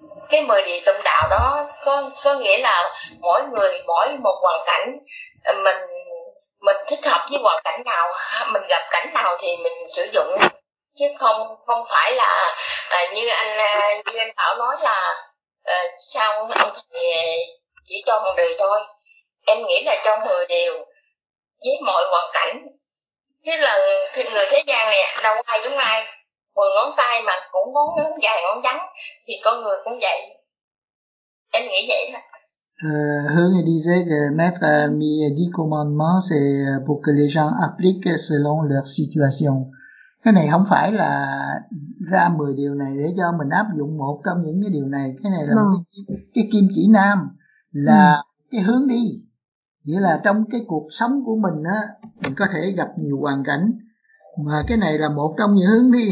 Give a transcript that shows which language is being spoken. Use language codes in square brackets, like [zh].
[vi] Cái 10 điều tâm đạo đó có nghĩa là mỗi người mỗi một hoàn cảnh mình thích hợp với hoàn cảnh nào, mình gặp cảnh nào thì mình sử dụng, chứ không phải là như anh Bảo nói là sao ông thầy chỉ cho một điều thôi. Em nghĩ là cho 10 điều với mọi hoàn cảnh, chứ là người thế gian này đâu ai giống ai, 10 ngón tay mà cũng ngón dài ngón ngắn thì con người cũng vậy, em nghĩ vậy thôi. [fr] Hương disait que mettre 10 commandements, c'est pour que les gens appliquent selon leur situation. [vi] Cái này không phải là ra 10 điều này để cho mình áp dụng một trong những cái điều này. Cái này là cái kim chỉ nam, là cái hướng đi. Nghĩa là trong cái cuộc sống của mình á, mình có thể gặp nhiều hoàn cảnh, mà cái này là một trong những hướng đi.